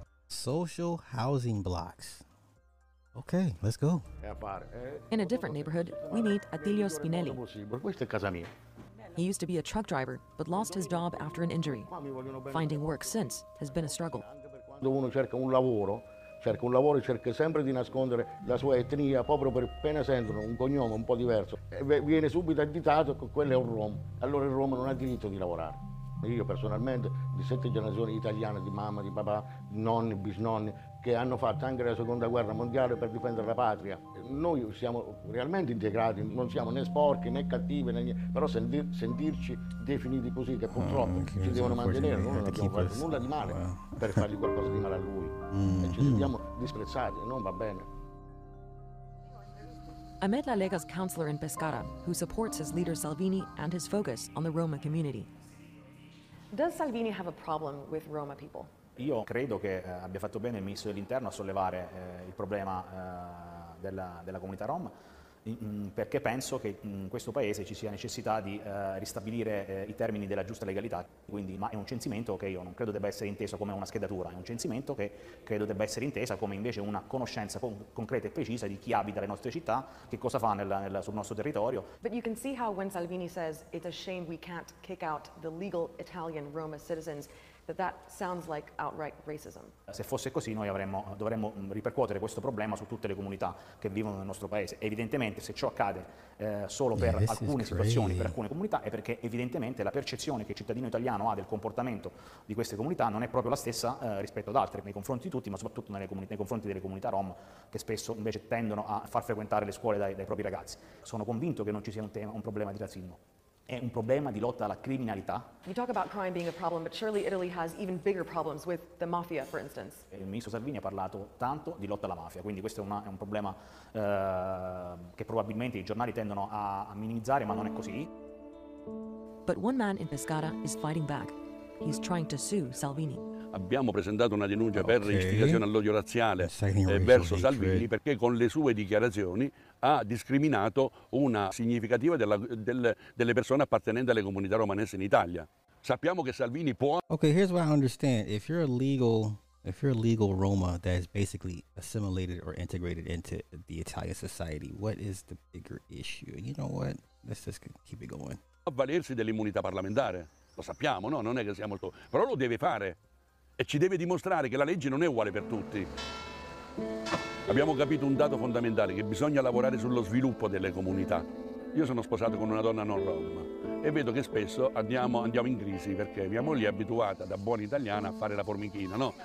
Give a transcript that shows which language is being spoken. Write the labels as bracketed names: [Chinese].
[English] Social housing blocks. Okay, let's go. In a different neighborhood, we meet Attilio Spinelli. He used to be a truck driver, but lost his job after an injury. Finding work since has been a struggle. [Italian] Uno cerca un lavoro, cerca un lavoro e cerca sempre di nascondere la sua etnia, proprio per appena sentono un cognome un po' diverso, e viene subito additato che quello è un rom. Allora il rom non ha diritto di lavorare. Io personalmente, di 7 generazioni italiane, di mamma, di papà, nonni, bisnonni, che hanno fatto anche la seconda guerra mondiale per difendere la patria. Noi siamo realmente integrati, non siamo né sporchi né cattivi, né niente. Però sentirci definiti così, che purtroppo ci devono mantenere, noi non abbiamo fatto nulla di male per fargli qualcosa di male a lui. E ci sentiamo disprezzati, non va bene. [English] Ahmed La Lega's counselor in Pescara, who supports his leader Salvini and his focus on the Roma community. Does Salvini have a problem with Roma people? [Italian] Io credo che abbia fatto bene il ministro dell'interno a sollevare il problema della comunità rom, perché penso che in questo paese ci sia necessità di ristabilire i termini della giusta legalità. Quindi, ma è un censimento che io non credo debba essere inteso come una schedatura, è un censimento che credo debba essere intesa come invece una conoscenza concreta e precisa di chi abita le nostre città, che cosa fa sul nostro territorio. [English] But you can see how when Salvini says it's a shame we can't kick out the legal Italian Roma citizens, that sounds like outright racism. [Italian] Se fosse così, noi dovremmo ripercuotere questo problema su tutte le comunità che vivono nel nostro paese. Evidentemente, se ciò accade solo per alcune situazioni, per alcune comunità, è perché evidentemente la percezione che il cittadino italiano ha del comportamento di queste comunità non è proprio la stessa rispetto ad altre, nei confronti di tutti, ma soprattutto nei confronti delle comunità rom, che spesso invece tendono a far frequentare le scuole dai propri ragazzi. Sono convinto che non ci sia un problema di razzismo. È un problema di lotta alla criminalità. [English] You talk about crime being a problem, but surely Italy has even bigger problems with the mafia, for instance. [Italian] Il ministro Salvini ha parlato tanto di lotta alla mafia, quindi questo è un problema che probabilmente i giornali tendono a minimizzare, ma non è così. [English] But one man in Pescara is fighting back. He's trying to sue Salvini. [Italian] Abbiamo presentato una denuncia per istigazione all'odio razziale verso Salvini, perché con le sue dichiarazioni ha discriminato una significativa delle persone appartenenti alle comunità romanesi in Italia. Sappiamo che Salvini può. [English] Okay, here's what I understand. If you're a legal Roma that is basically assimilated or integrated into the Italian society, what is the bigger issue? You know what? Let's just keep it going. [Italian] Avvalersi dell'immunità parlamentare. Lo sappiamo, no? Non è che sia molto. Però lo deve fare. E ci deve dimostrare che la legge non è uguale per tutti. Abbiamo capito un dato fondamentale, che bisogna lavorare sullo sviluppo delle comunità. Io sono sposato con una donna non rom e vedo che spesso andiamo in crisi, perché mia moglie è abituata da buona italiana a fare la formichina, no?